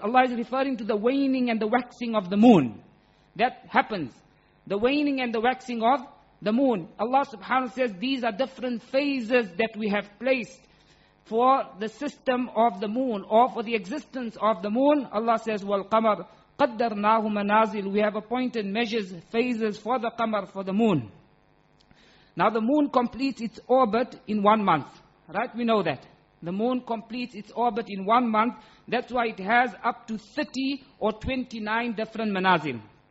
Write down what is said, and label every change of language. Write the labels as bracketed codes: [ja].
[en] Allah is referring to the waning and the waxing of the moon. That happens. The waning and the waxing of the moon. Allah subhanahu wa ta'ala says these are different phases that we have placed for the system of the moon or for the existence of the moon. [ar] Allah says, وَالْقَمَرْ قَدَّرْنَاهُ مَنَازِلُ. [en] We have appointed measures, phases for the qamar, for the moon. Now the moon completes its orbit in 1 month. Right? We know that. The moon completes its orbit in 1 month. That's why it has up to 30 or 29 different manazil.